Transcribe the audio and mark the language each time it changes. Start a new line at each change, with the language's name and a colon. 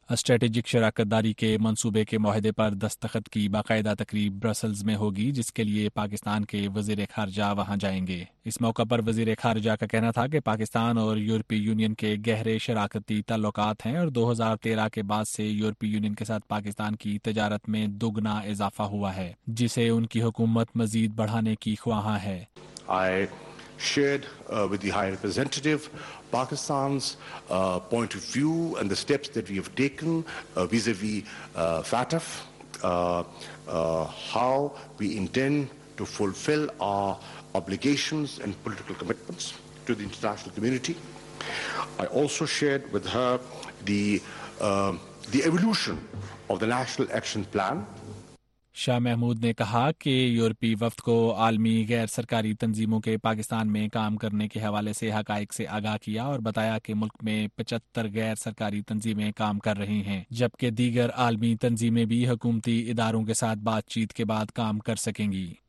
Urdu: Strategic شراکت داری کے منصوبے کے معاہدے پر دستخط کی باقاعدہ تقریب برسلز میں ہوگی جس کے لیے پاکستان کے وزیر خارجہ وہاں جائیں گے. اس موقع پر وزیر خارجہ کا کہنا تھا کہ پاکستان اور یورپی یونین کے گہرے شراکتی تعلقات ہیں اور 2013 کے بعد سے یورپی یونین کے ساتھ پاکستان کی تجارت میں دوگنا اضافہ ہوا ہے جسے ان کی حکومت مزید بڑھانے کی خواہاں ہے.
English: I shared with the high representative Pakistan's point of view and the steps that we have taken vis-a-vis FATF, how we intend to fulfill our obligations and political commitments to the international community. I also shared with her the evolution of the National Action Plan.
Urdu: Shah Mahmood نے کہا کہ یورپی وفد کو عالمی غیر سرکاری تنظیموں کے پاکستان میں کام کرنے کے حوالے سے حقائق سے آگاہ کیا اور بتایا کہ ملک میں 75 غیر سرکاری تنظیمیں کام کر رہی ہیں جبکہ دیگر عالمی تنظیمیں بھی حکومتی اداروں کے ساتھ بات چیت کے بعد کام کر سکیں گی.